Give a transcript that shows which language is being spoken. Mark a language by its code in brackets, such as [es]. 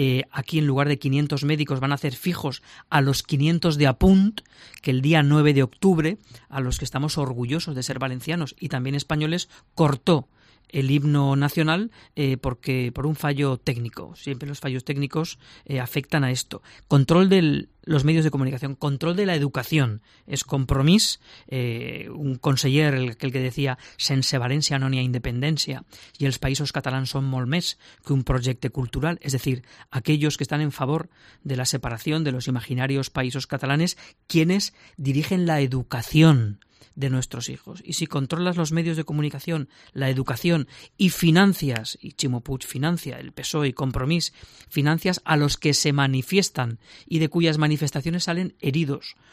[es] Aquí en lugar de 500 médicos van a hacer fijos a los 500 de Apunt, que el día 9 de octubre, a los que estamos orgullosos de ser valencianos y también españoles, cortó el himno nacional porque por un fallo técnico. Siempre los fallos técnicos afectan a esto. Control de los medios de comunicación, control de la educación. Es Compromís, un conseller, el que decía [ca] «sense València no n'hi ha independència», y els països catalans són molt més que un projecte cultural. [es] Es decir, aquellos que están en favor de la separación de los imaginarios países catalanes, quienes dirigen la educación de nuestros hijos. Y si controlas los medios de comunicación, la educación, y financias, y Ximo Puig financia, el PSOE y Compromís, financias a los que se manifiestan y de cuyas manifestaciones salen heridos.